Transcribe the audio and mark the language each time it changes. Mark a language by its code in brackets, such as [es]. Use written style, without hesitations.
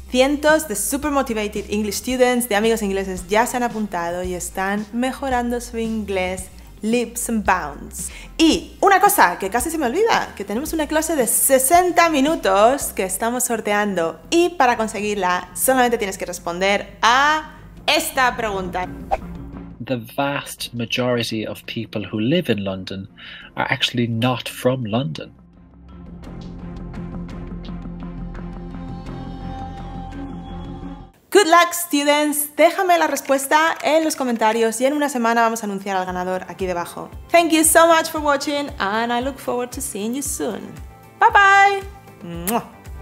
[es] Cientos de [en] super motivated English students [es] de Amigos Ingleses ya se han apuntado y están mejorando su inglés [en] leaps and bounds. [es] Y una cosa que casi se me olvida, que tenemos una clase de 60 minutos que estamos sorteando, y para conseguirla solamente tienes que responder a esta pregunta. [en] The vast majority of people who live in London are actually not from London. Good luck, students. [es] Déjame la respuesta en los comentarios y en una semana vamos a anunciar al ganador aquí debajo. [en] Thank you so much for watching, and I look forward to seeing you soon. Bye bye.